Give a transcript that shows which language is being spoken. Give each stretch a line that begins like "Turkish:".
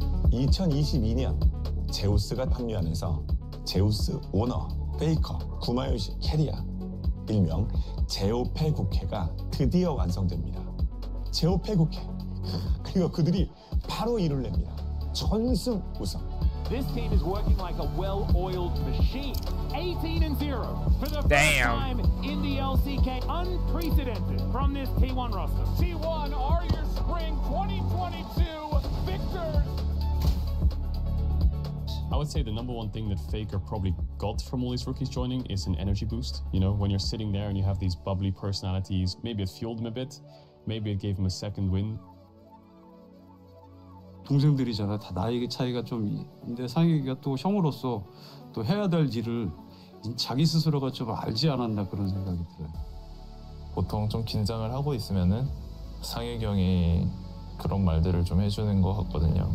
Korean: 2022년 제우스가 합류하면서 제우스 오너, 페이커, 구마요시, 캐리아 일명 제5페국회가 드디어 완성됩니다. 제5페국회, 그리고 그들이 바로 일을 냅니다. 전승 우승.
English: This team is working like a well-oiled machine. 18-0 for the first time in the LCK. Unprecedented from this T1 roster. T1 are your spring 2022 victors. I would say the number one thing that Faker probably got from all these rookies joining is an energy boost. You know, when you're sitting there and you have these bubbly personalities, maybe it fueled them a bit. Maybe it gave them a second win.
Korean: 동생들이잖아. 다 나이 차이가 좀 있는데 상혁이가 또 형으로서 또 해야 될 일을 자기 스스로가 좀 알지 않았나 그런 생각이 들어요. 보통 좀 긴장을 하고 있으면은 상혁이 형이 그런 말들을 좀 해주는 것 같거든요.